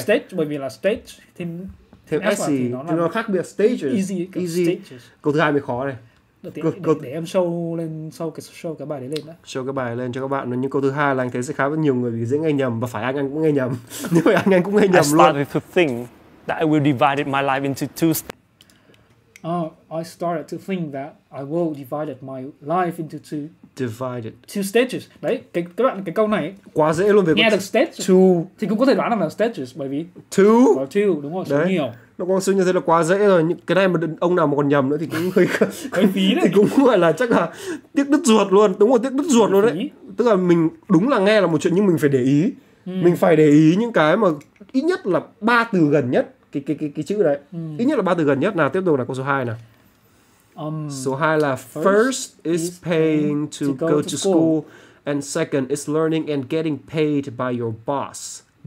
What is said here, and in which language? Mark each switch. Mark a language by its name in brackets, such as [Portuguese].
[Vietnamese] Stage, bởi vì là stage thì thêm S gì thì nó khác biệt stages. [English] Easy. [Vietnamese] Câu thứ 2 mới khó này. Để em show lên, show cái show cái bài đấy lên đó. Show cái bài lên cho các bạn. Nhưng câu thứ 2 là anh thấy sẽ khá rất nhiều người vì dễ nghe nhầm và phải anh cũng nghe nhầm. Nhưng phải anh cũng nghe nhầm luôn. [English] I started to think that I will divide my life into two. I started to think that I will divide my life into two. Divided. Two stages. [Vietnamese] Đấy, các bạn cái câu này quá dễ luôn về nghe được stages. [English] Two. [Vietnamese] Thì cũng có thể đoán là stages bởi vì [English] two. [Vietnamese] Và two đúng rồi, số đấy. Nhiều. Nó con số như thế là quá dễ rồi. Nhưng cái này mà ông nào mà còn nhầm nữa thì cũng hơi hơi phí đấy. Thì cũng gọi là chắc là tiếc đứt ruột luôn. Đúng rồi, tiếc đứt ruột luôn đấy. Tức là mình đúng là nghe là một chuyện nhưng mình phải để ý. Mình phải để ý những cái mà ít nhất là ba từ gần nhất. Cái chữ đấy. Ít nhất là ba từ gần nhất. Nào, tiếp tục là câu số 2 nào. Số 2 là [English] first is paying to go to school and second is learning and getting paid by your boss.